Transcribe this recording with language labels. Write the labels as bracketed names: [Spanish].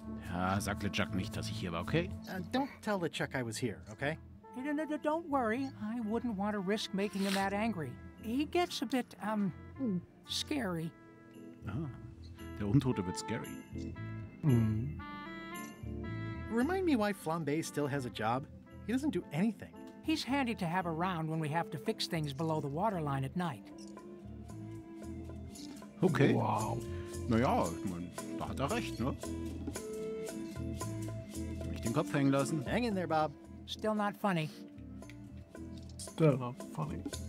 [German] Ja, sag LeChuck nicht, dass ich hier war, okay? [English] Don't tell LeChuck I was here, okay? No, don't worry. I wouldn't want to risk making him that angry. He gets a bit, scary. [German] Ah, der Untote wird scary. [English] Remind me why Flambe still has a job. He doesn't do anything. He's handy to have around when we have to fix things below the waterline at night. Okay. Wow. [German] Naja, ich meine, da hat er recht, ne? Nicht den Kopf hängen lassen. [English] Hang in there, Bob. Still not funny. Still not funny.